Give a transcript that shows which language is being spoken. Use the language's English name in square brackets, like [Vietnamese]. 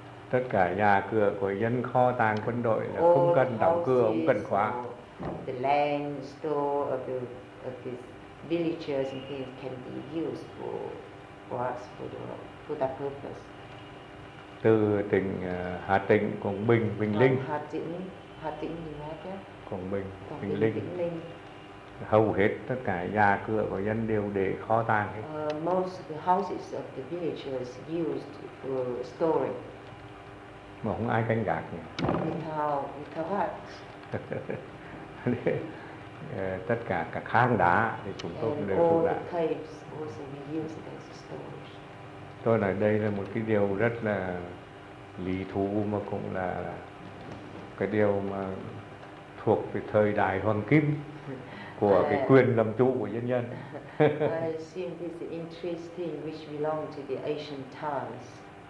[Vietnamese] Tất cả nhà cửa của dân, kho tàng quân đội là không cần đóng cửa, không cần khóa. [English] The land, store of the villagers and things can be used for that purpose. [Vietnamese] Từ tỉnh Hà Tĩnh, Quảng Bình, Bình Linh. Hà Tĩnh, Bình Linh. Quảng Bình, Bình Linh. Hầu hết tất cả nhà cửa của dân đều để kho tàng hết. [English] Most of the houses of the villagers used for storing. [Vietnamese] Mà không ai canh gác nhỉ? [English] Without what? [Vietnamese] Tất cả các hang đá thì chúng tôi đều trụ lại. [English] All the caves also be used as storage. [Vietnamese] Tôi nói đây là một cái điều rất là lý thú mà cũng là cái điều mà thuộc về thời đại hoàng kim. Của cái quyền làm chủ của dân dân. [English] I assume this interesting which belong to the ancient times.